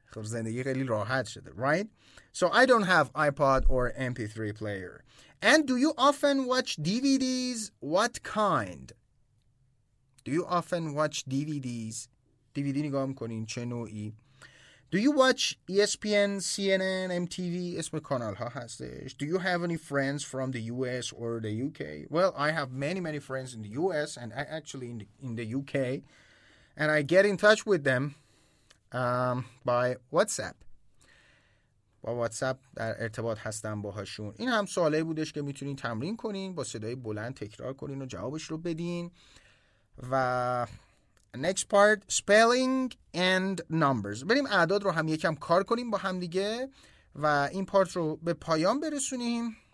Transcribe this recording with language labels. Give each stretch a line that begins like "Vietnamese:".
Persian: زندگی خیلی راحت شده,
English: right? So I don't have iPod or MP3 player. And do you often watch DVDs? What kind? Do you often watch DVDs?
Persian: DVD نگاه میکنین چه نوعی؟
English: Do you watch ESPN, CNN, MTV?
Persian: اسم کانال ها هستش.
English: Do you have any friends from the US or the UK? Well, I have many, many friends in the US and actually in the UK. And I get in touch with them by WhatsApp.
Persian: با واتساپ در ارتباط هستم باهاشون. این هم سوالی بودش که میتونین تمرین کنین, با صدای بلند تکرار کنین و جوابش رو بدین.
English: و next part, spelling and numbers.
Persian: بریم اعداد رو هم یکم کار کنیم با هم دیگه و این پارت رو به پایان برسونیم.